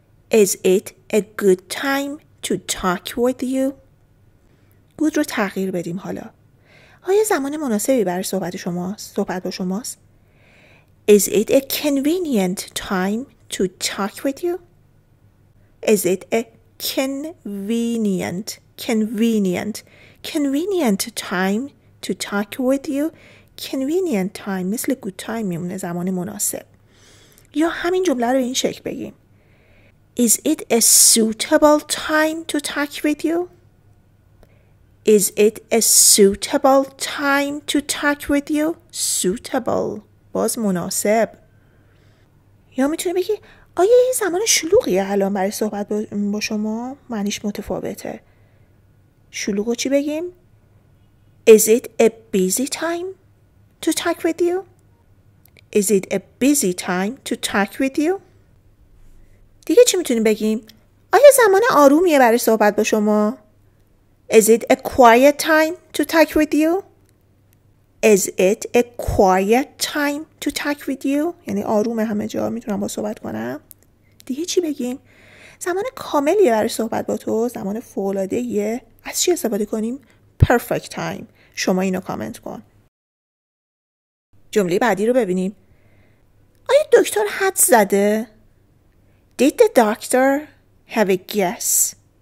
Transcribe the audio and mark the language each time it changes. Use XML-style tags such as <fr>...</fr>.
<en>Is it a good time to talk with you?</en> <fa>Good رو تغییر بدیم حالا. آیا زمان مناسبی برای صحبت شماست؟ صحبت با شماست؟</fa> <en>Is it a convenient time to talk with you? Is it a convenient time to talk with you?</en> <fa>Convenient time مثل good time میمونه، زمان مناسب. یا همین جمله رو این شکل بگیم.</fa> <en>Is it a suitable time to talk with you? Is it a suitable time to talk with you?</en> <fa>Suitable باز مناسب. یا میتونی بگی آیا این زمان شلوغیه الان برای صحبت با شما؟ معنیش متفاوته. شلوغو چی بگیم؟</fa> <en>Is it a busy time to talk with you? Is it a busy time to talk with you?</en> <fa>دیگه چی میتونیم بگیم؟ آیا زمان آرومیه برای صحبت با شما؟</fa> <en>Is it a quiet time to talk with you? Is it a quiet time to talk with you?</en> <fa>یعنی آرومه، همه جا میتونم با صحبت کنم. دیگه چی بگیم؟ زمان کاملیه برای صحبت با تو؟ زمان فوق‌العاده‌ایه؟ از چی استفاده کنیم؟</fa> <en>Perfect time.</en> <fa>شما اینو کامنت کن. جمله بعدی رو ببینیم. آیا دکتر حدس زده؟</fa> <en>Did the doctor have a guess?</en>